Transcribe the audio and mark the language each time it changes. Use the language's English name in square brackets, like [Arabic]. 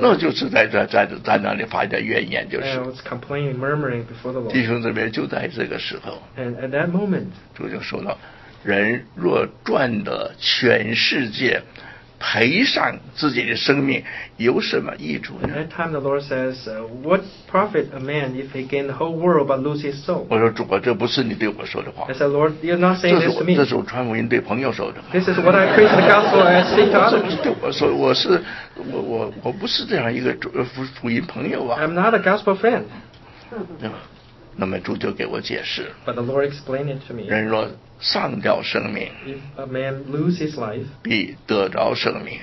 [Chinese] 那就是在那里发点怨言就是 [English] I was complaining, murmuring before the Lord. [Chinese] 弟兄这边就在这个时候 [English] And at that moment, [Chinese] 主就说到人若赚得全世界，赔上自己的生命，有什么益处呢 [English] ？At that time, the Lord says, "What profit a man if he gain the whole world but lose his soul?" [Chinese] 我说主啊，这不是你对我说的话。 [English] I said, "Lord, you're not saying this to me." [Chinese] 这是我传福音对朋友说的。 [English] This is what I preach the gospel and say to others. [Chinese] 对我说，我不是这样一个福音朋友啊。 [English] I'm not a gospel friend. [Chinese] 那么主就给我解释。 [English] But the Lord explained it to me. [Chinese] 人若丧掉生命 [English] If a man lose his life, [Chinese] 必得着生命